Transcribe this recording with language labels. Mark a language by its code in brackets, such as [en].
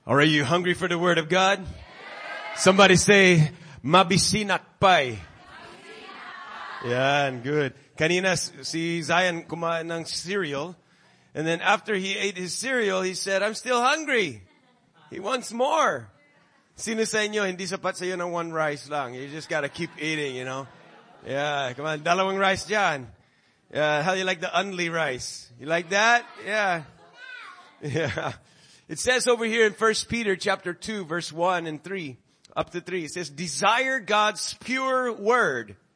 [en] Are you hungry for the word of God? Somebody say, [tl] Mabisin'ac pai. [en] Yeah, and good. [tl] Kanina si Zion kumain ng cereal. [en] And then after he ate his cereal, he said, I'm still hungry. He wants more. [tl] Sino sa inyo, hindi sapat sa iyo ng [en] one rice [tl] lang. [en] You just gotta keep eating, you know. Yeah, come on. [tl] Dalawang rice dyan. [en] Yeah, how you like the only rice? You like that? Yeah. Yeah. It says over here in 1 Peter chapter 2, verse 1 and 3, up to 3. It says, desire God's pure word.